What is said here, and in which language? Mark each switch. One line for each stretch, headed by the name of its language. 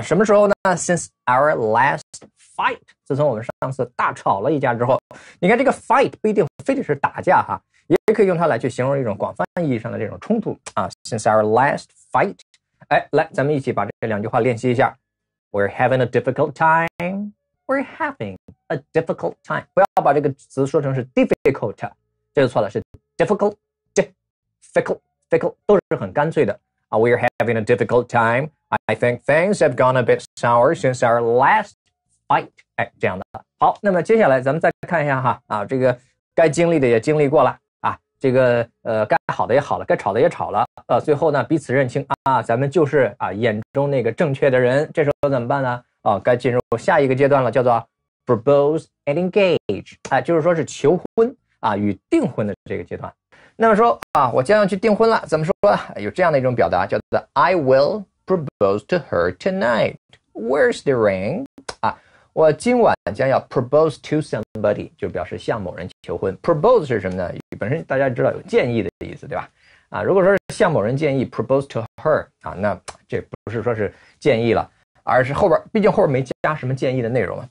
Chinese: 什么时候呢 ？
English: Since our last fight，
Chinese: 自从我们上次大吵了一架之后，你看这个 fight 不一定非得是打架哈，也可以用它来去形容一种广泛意义上的这种冲突啊。
English: Since our last fight，
Chinese: 哎，来，咱们一起把这两句话练习一下。
English: We're having a difficult time. We're having a difficult time.
Chinese: 不要把这个词说成是 difficult， 这就错了，是 difficult。 fickle 都是很干脆的。
English: We are having a difficult time. I think things have gone a bit sour since our last fight.
Chinese: 哎，这样的。好，那么接下来咱们再看一下哈，啊，这个该经历的也经历过了。这个该好的也好了，该吵的也吵了，最后呢彼此认清啊，咱们就是啊眼中那个正确的人。这时候怎么办呢？啊，该进入下一个阶段了，叫做 propose and engage， 啊，就是说是求婚啊与订婚的这个阶段。那么说啊，我将要去订婚了，怎么说？有这样的一种表达，叫做
English: I will propose to her tonight. Where's the ring？
Chinese: 啊，我今晚将要
English: propose to somebody，
Chinese: 就表示向某人求婚。propose 是什么呢？本身大家知道有建议的意思，对吧？啊，如果说是向某人建议
English: propose to her
Chinese: 啊，那这不是说是建议了，而是后边毕竟后边没加什么建议的内容嘛。